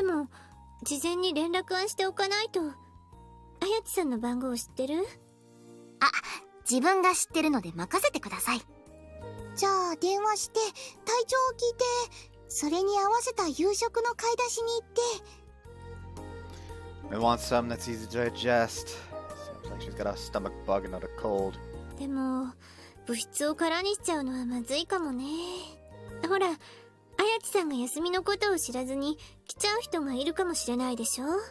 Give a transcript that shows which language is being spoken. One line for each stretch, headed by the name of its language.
Japanese: でも事前に連絡はしておかないと。あやちさんの番号知ってる？あ、自分が知ってるので任せてください。じゃあ電話して体調を聞いて、それに合わせた夕食の買い出しに行って。
English: We want some that's easy to digest. Seems like she's got a stomach bug and not a cold.
Japanese: でも、物質を空にしちゃうのはまずいかもね。ほら、あやちさんが休みのことを知らずに来ちゃう人がいるかもしれないでしょ。